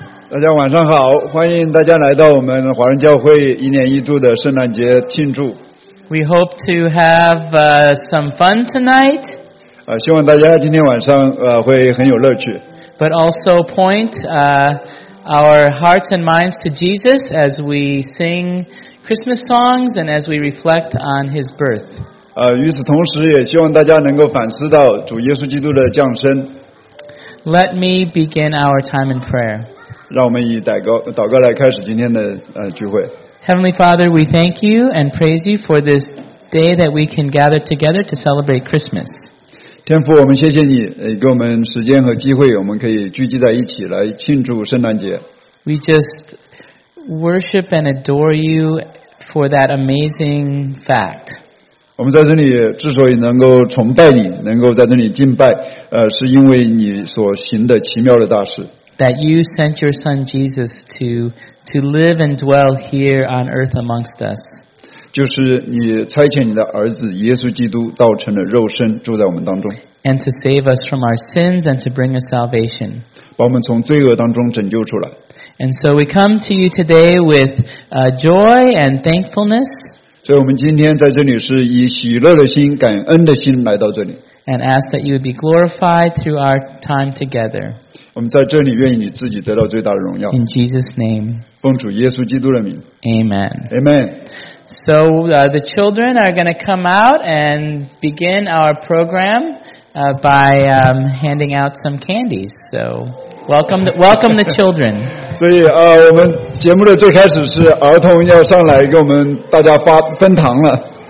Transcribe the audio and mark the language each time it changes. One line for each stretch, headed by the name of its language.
Chinese: 大家晚上好，欢迎大家来到我们华人教会一年一度的圣诞节庆祝。
English: We hope to have some fun tonight.
Chinese: 希望大家今天晚上会很有乐趣。
English: But also point our hearts and minds to Jesus as we sing Christmas songs and as we reflect on His birth.
Chinese: 与此同时，也希望大家能够反思到主耶稣基督的降生。
English: Let me begin our time in prayer.
Chinese: 让我们以祷告来开始今天的聚会。
English: Heavenly Father, we thank you and praise you for this day that we can gather together to celebrate Christmas.
Chinese: 天父，我们谢谢你给我们时间和机会，我们可以聚集在一起来庆祝圣诞节。
English: We just worship and adore you for that amazing fact.
Chinese: 我们在这里之所以能够崇拜你，能够在这里敬拜，是因为你所行的奇妙的大事。
English: That you sent your son Jesus to live and dwell here on earth amongst us.
Chinese: 就是你差遣你的儿子耶稣基督道成了肉身住在我们当中。
English: And to save us from our sins and to bring us salvation.
Chinese: 把我们从罪恶当中拯救出来。
English: And so we come to you today with joy and thankfulness.
Chinese: 所以我们今天在这里是以喜乐的心、感恩的心来到这里。
English: And ask that you would be glorified through our time together.
Chinese: 我们在这里愿意你自己得到最大的荣耀。
English: In Jesus' name.
Chinese: 奉主耶稣基督的名。
English: Amen. Amen. So, the children are going to come out and begin our program by handing out some candies. So, welcome the children.
Chinese: 所以我们节目的最开始是儿童要上来给我们大家分糖了。